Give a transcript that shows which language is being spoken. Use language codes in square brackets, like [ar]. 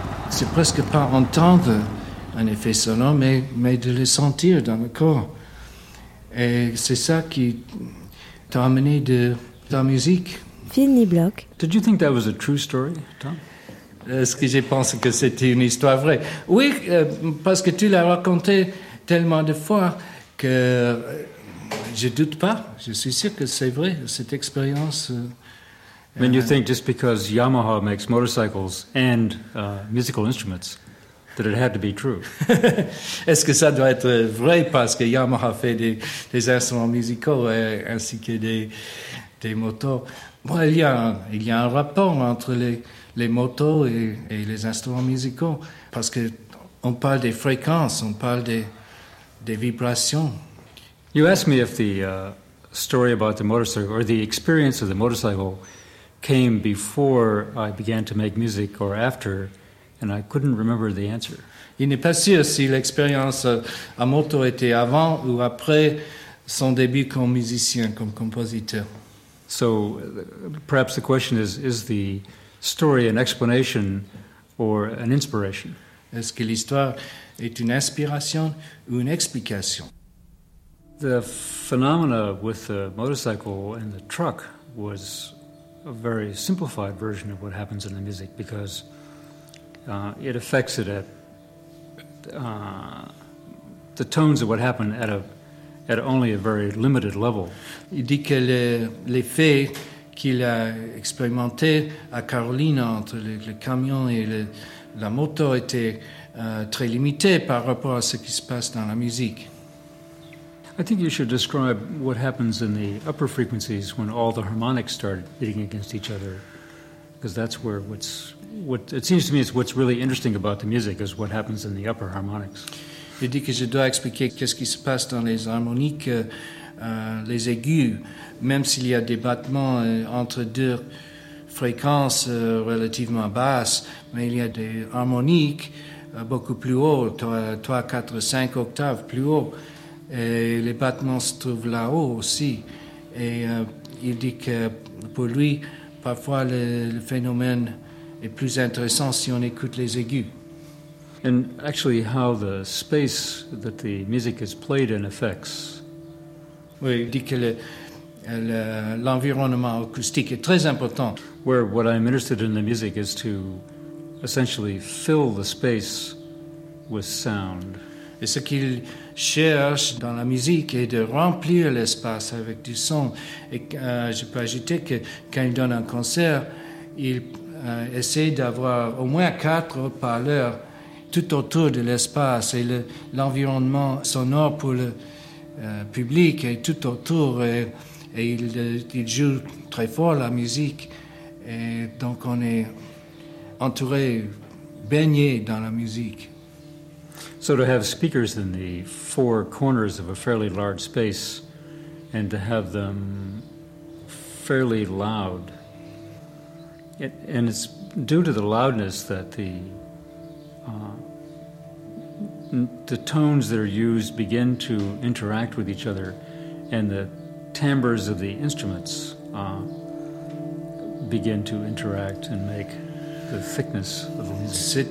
[fr] C'est presque pas entendre un effet sonore, mais de le sentir dans le corps. Et c'est ça qui t'a amené de la musique. Phil Niblock. [en] Did you think that was a true story, Tom? [fr] Est-ce que j'ai pensé que c'était une histoire vraie? Oui, parce que tu l'as raconté tellement de fois que je doute pas. Je suis sûr que c'est vrai, cette expérience. [en] I mean, you think just because Yamaha makes motorcycles and musical instruments, that it had to be true. [fr] Est-ce que ça doit être vrai parce que Yamaha fait des instruments musicaux ainsi que des motos? Bon, il y a un rapport entre les motos et les instruments musicaux parce que on parle des fréquences, on parle des vibrations. [en] You asked me if the story about the motorcycle or the experience of the motorcycle came before I began to make music or after, and I couldn't remember the answer. [fr] Il n'est pas sûr si l'expérience à moto était avant ou après son début comme musicien, comme compositeur. [en] So perhaps the question is the story an explanation or an inspiration? [fr] Est-ce que l'histoire est une inspiration ou une explication? [en] The phenomena with the motorcycle and the truck was a very simplified version of what happens in the music because it affects it at the tones of what happened at only a very limited level. [fr] Il dit que l'effet qu'il a expérimenté à Carolina entre le camion et la moto était très limité par rapport à ce qui se passe dans la musique. [en] I think you should describe what happens in the upper frequencies when all the harmonics start beating against each other, because that's where it seems to me is what's really interesting about the music is what happens in the upper harmonics. [fr] Il dit que je dois expliquer qu'est-ce qui se passe dans les harmoniques, les aigus, même s'il y a des battements entre deux fréquences relativement basses, mais il y a des harmoniques beaucoup plus hauts, 3, 4, 5 octaves plus hauts. Et les battements se trouvent là-haut aussi. Et il dit que pour lui, parfois le phénomène est plus intéressant si on écoute les aigus. [en] And actually, how the space that the music is played in affects. [fr] Oui, il dit que l'environnement acoustique est très important. [en] Where what I'm interested in the music is to essentially fill the space with sound. [fr] Et ce qu'il cherche dans la musique est de remplir l'espace avec du son. Et je peux ajouter que quand il donne un concert, il essaie d'avoir au moins 4 parleurs tout autour de l'espace, et l'environnement sonore pour le public est tout autour, et il joue très fort la musique, et donc on est entouré, baigné dans la musique. [en] So to have speakers in the four corners of a fairly large space and to have them fairly loud, and it's due to the loudness that the tones that are used begin to interact with each other, and the timbres of the instruments begin to interact and make the thickness of the music.